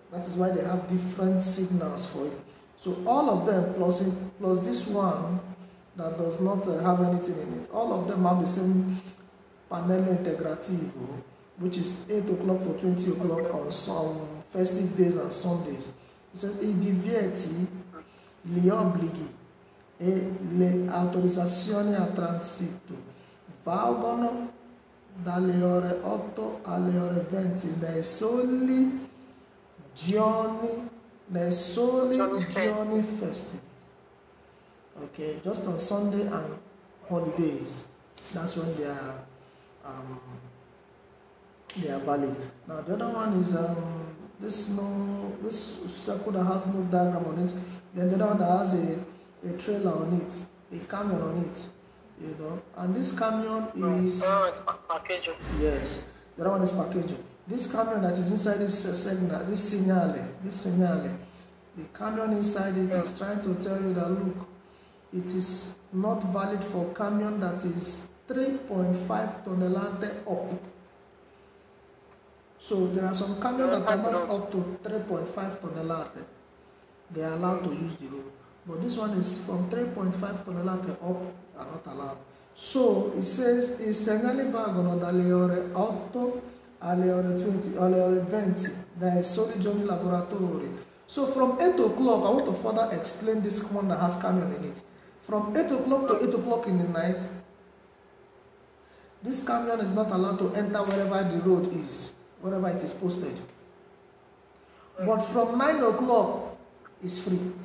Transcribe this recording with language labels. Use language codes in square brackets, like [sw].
[en] That is why they have different signals for it. So all of them plus this one that does not have anything in it. All of them have the same panel integrativo, which is 8 o'clock to 20 o'clock on some festive days and Sundays. [it] It says, e divieti li obblighi e le autorizzazioni a transito valgono dalle ore 8 alle ore 20 nei soli giorni, nei soli giorni festivi. [en] Okay, just on Sunday and holidays, that's when they are valid. Now the other one is this circle that has no diagram on it. Then the other one that has a trailer on it, a camion on it, And this camion is package. Yes, the other one is package. This camion that is inside this signal, this signale, the camion inside it is trying to tell you that look. It is not valid for camion that is 3.5 tonelante up. So there are some camions that are not up to 3.5 tonelante. They are allowed to use the road. But this one is from 3.5 tonelate up and not allowed. [it] So it says, I segnali valgono dalle ore 8 alle ore 20, alle ore 20, dai soli giorni lavoratori. [en] So from 8 o'clock, I want to further explain this one that has camion in it. From 8 o'clock to 8 o'clock in the night, this camion is not allowed to enter wherever the road is, wherever it is posted. But from 9 o'clock, it's free.